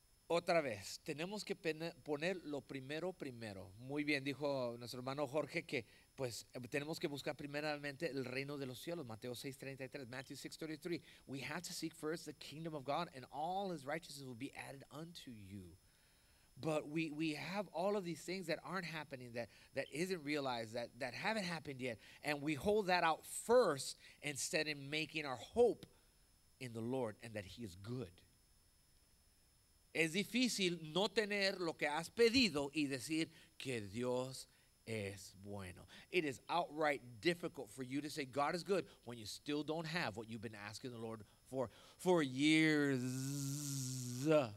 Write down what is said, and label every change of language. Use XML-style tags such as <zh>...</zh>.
<es>Otra vez, tenemos que poner lo primero primero. Muy bien, dijo nuestro hermano Jorge que pues tenemos que buscar primeramente el reino de los cielos. Mateo 6:33, Matthew 6:33.</es> <en>We have to seek first the kingdom of God and all his righteousness will be added unto you. But we have all of these things that aren't happening, that isn't realized, that haven't happened yet. And we hold that out first instead of making our hope in the Lord and that he is good.</en> <es>Es difícil no tener lo que has pedido y decir que Dios es bueno.</es> <en>It is outright difficult for you to say God is good when you still don't have what you've been asking the Lord for years.</en>